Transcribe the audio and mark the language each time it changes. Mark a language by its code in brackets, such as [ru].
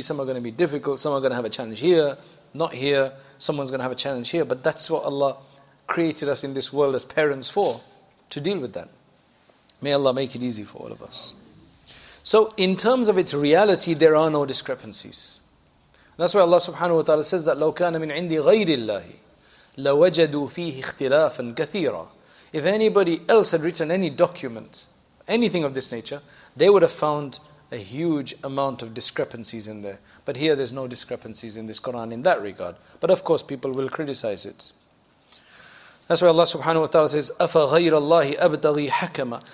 [en] Some are going to be difficult. Some are going to have a challenge here. Not here. Someone's going to have a challenge here. But that's what Allah created us in this world as parents for. To deal with that. May Allah make it easy for all of us. So in terms of its reality, there are no discrepancies. That's why Allah subhanahu wa ta'ala says that [ar] لَوْ كَانَ مِنْ عِنْدِ غَيْرِ اللَّهِ لَوَجَدُوا فِيهِ اخْتِلَافًا كَثِيرًا. [en] If anybody else had written any document, anything of this nature, they would have found a huge amount of discrepancies in there. But here there's no discrepancies in this Quran in that regard. But of course people will criticize it. That's why Allah subhanahu wa ta'ala says, [ar] أَفَغَيْرَ اللَّهِ أَبْتَغِي حَكَمًا.